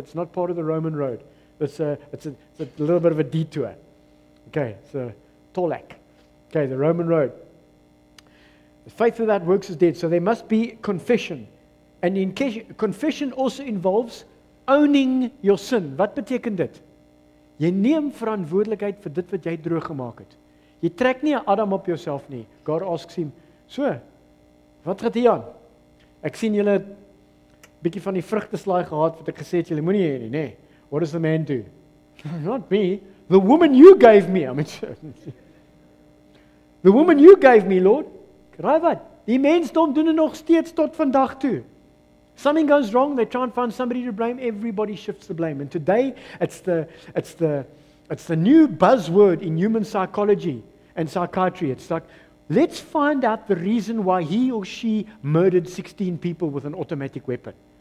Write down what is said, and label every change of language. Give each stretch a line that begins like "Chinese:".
English: It's not part of the Roman road. It's a little bit of a detour. Okay, it's a tolak. Okay, the Roman road. Faith without works is dead. So there must be confession. And in confession also involves owning your sin.
Afrikaans: Wat beteken dit? Jy neem verantwoordelikheid vir dit wat jy droog gemaak het. Jy trek nie Adam op jouself nie.
English: God asks him,
Afrikaans: so, wat gaat hier aan? Ek sien julle bietjie van die vrugteslaai gehad wat ek gesê het julle moenie hê nie, nê?
English: What does the man do? Not me, the woman you gave me. I'm the woman you gave me, Lord.
Afrikaans: Raai wat? Die mensdom doen dit nog steeds tot vandag toe.
English: Something goes wrong, they try and find somebody to blame, everybody shifts the blame. And today it's the new buzzword in human psychology and psychiatry. It's like, let's find out the reason why he or she murdered 16 people with an automatic weapon.